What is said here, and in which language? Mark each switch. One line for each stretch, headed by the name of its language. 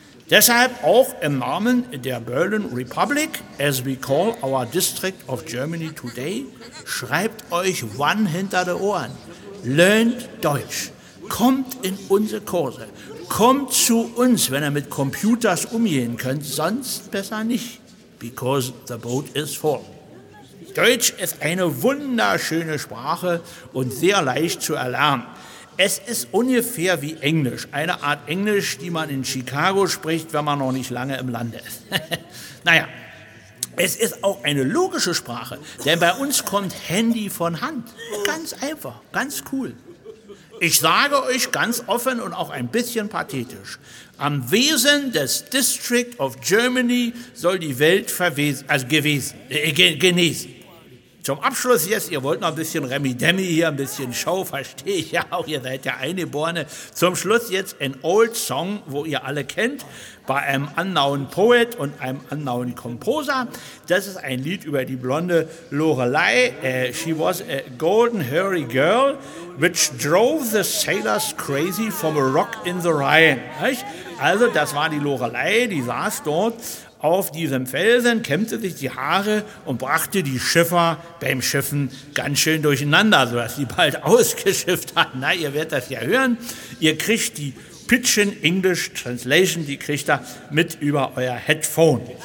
German: Deshalb auch im Namen der Berlin Republic,
English: as we call our District of Germany today,
German: schreibt euch
English: one
German: hinter die Ohren. Lernt Deutsch. Kommt in unsere Kurse. Kommt zu uns, wenn ihr mit Computers umgehen könnt, sonst besser nicht.
English: Because the boat is full.
German: Deutsch ist eine wunderschöne Sprache und sehr leicht zu erlernen. Es ist ungefähr wie Englisch. Eine Art Englisch, die man in Chicago spricht, wenn man noch nicht lange im Lande ist. Naja, es ist auch eine logische Sprache. Denn bei uns kommt Handy von Hand. Ganz einfach, ganz cool. Ich sage euch ganz offen und auch ein bisschen pathetisch. Am Wesen des District of Germany soll die Welt genesen. Zum Abschluss jetzt, ihr wollt noch ein bisschen Remi-Demi hier, ein bisschen Show, verstehe ich ja auch, ihr seid ja Eingeborene. Zum Schluss jetzt ein
English: Old Song,
German: wo ihr alle kennt, bei einem
English: unknown Poet
German: und einem
English: unknown Composer.
German: Das ist ein Lied über die blonde Lorelei.
English: She was a golden hairy girl, which drove the sailors crazy from a rock in the Rhine.
German: Also das war die Lorelei, die saß dort. Auf diesem Felsen kämmte sich die Haare und brachte die Schiffer beim Schiffen ganz schön durcheinander, sodass sie bald ausgeschifft hat. Na, ihr werdet das ja hören. Ihr kriegt die Pidgin English Translation, die kriegt ihr mit über euer Headphone.